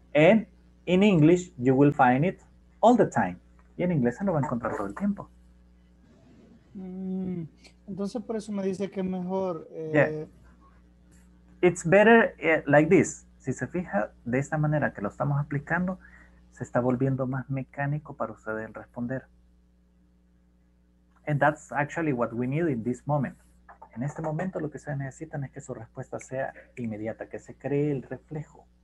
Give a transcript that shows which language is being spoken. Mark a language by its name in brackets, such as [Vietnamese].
[English] And in English, you will find it all the time. [Spanish] Y en inglés se lo va a encontrar todo el tiempo. Entonces por eso me dice que mejor [English] It's better like this. [Spanish] Si se fija de esta manera que lo estamos aplicando, se está volviendo más mecánico para ustedes responder. [English] And that's actually what we need in this moment. [Spanish] En este momento lo que ustedes necesitan es que su respuesta sea inmediata, que se cree el reflejo.